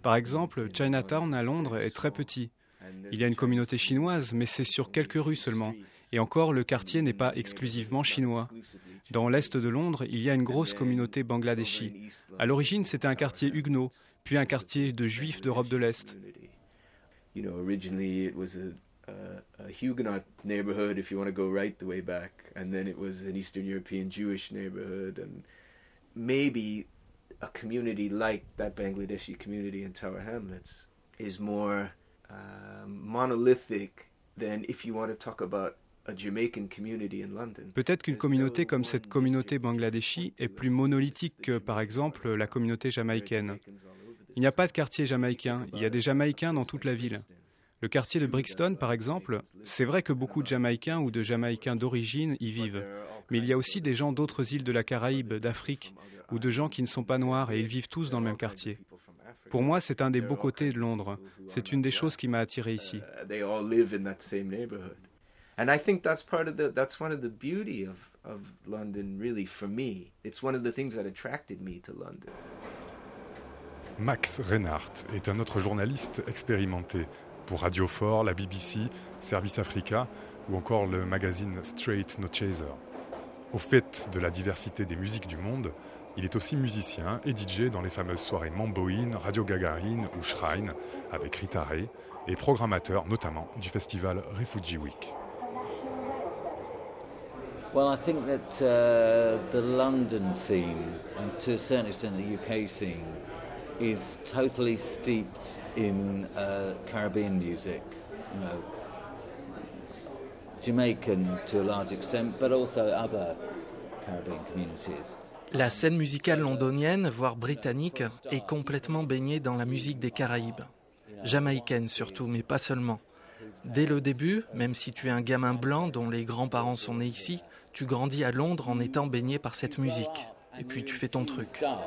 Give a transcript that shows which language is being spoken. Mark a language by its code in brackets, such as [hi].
[fr] Par exemple, Chinatown à Londres est très petit. Il y a une communauté chinoise, mais c'est sur quelques rues seulement. Et encore, le quartier n'est pas exclusivement chinois. Dans l'est de Londres, il y a une grosse communauté bangladeshi. À l'origine, c'était un quartier huguenot, puis un quartier de juifs d'Europe de l'Est. [en] You know, originally it was a Huguenot neighborhood, if you want to go right the way back, and then it was an Eastern European Jewish neighborhood, and maybe a community like that Bangladeshi community in Tower Hamlets is more monolithic than if you want to talk about a Jamaican community in London. [fr] Peut-être qu'une communauté comme cette communauté bangladeshi est plus monolithique que, par exemple, la communauté jamaïcaine. Il n'y a pas de quartier jamaïcain, il y a des Jamaïcains dans toute la ville. Le quartier de Brixton, par exemple, c'est vrai que beaucoup de Jamaïcains ou de Jamaïcains d'origine y vivent. Mais il y a aussi des gens d'autres îles de la Caraïbe, d'Afrique, ou de gens qui ne sont pas noirs et ils vivent tous dans le même quartier. Pour moi, c'est un des beaux côtés de Londres. C'est une des choses qui m'a attiré ici. [en] And I think that's one of the beauty of London, really, for me. It's one of the things that attracted me to London. [fr] Max Reinhardt est un autre journaliste expérimenté pour Radio 4, la BBC, Service Africa ou encore le magazine Straight No Chaser. Au fait de la diversité des musiques du monde, il est aussi musicien et DJ dans les fameuses soirées Mamboin, Radio Gagarine ou Shrine avec Rita Ray et programmateur notamment du festival Refugee Week. [en] Well, I think that the London scene, and to a certain extent the UK scene, is totally steeped in Caribbean music. You know, Jamaican to a large extent, but also other Caribbean communities. [fr] La scène musicale londonienne, voire britannique, est complètement baignée dans la musique des Caraïbes. Jamaïcaine surtout, mais pas seulement. Dès le début, même si tu es un gamin blanc dont les grands-parents sont nés ici, tu grandis à Londres en étant baigné par cette musique, et puis tu fais ton truc.